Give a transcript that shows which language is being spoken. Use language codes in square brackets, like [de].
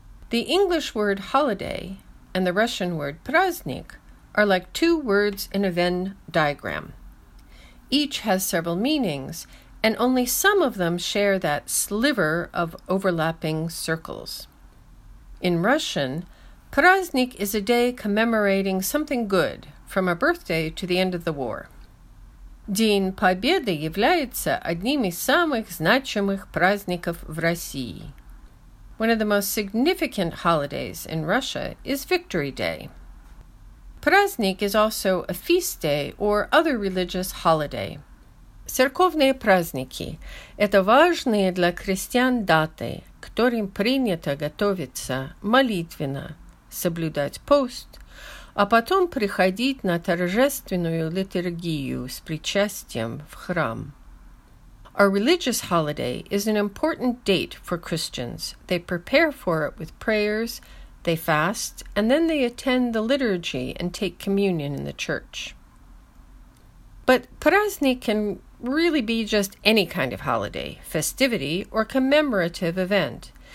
[en] The English word holiday and the Russian word праздник are like two words in a Venn diagram. Each has several meanings, and only some of them share that sliver of overlapping circles. In Russian, праздник is a day commemorating something good, from a birthday to the end of the war. [ru] День Победы является одним из самых значимых праздников в России. [en] One of the most significant holidays in Russia is Victory Day. Праздник is also a feast day or other religious holiday. [ru] Церковные праздники – это важные для крестьян даты, которым принято готовиться молитвенно, соблюдать пост, а потом приходить на торжественную литургию с причастием в храм. [en] A religious holiday is an important date for Christians. They prepare for it with prayers, they fast, and then they attend the liturgy and take communion in the church. But праздник can really be just any kind of holiday, festivity, or commemorative event.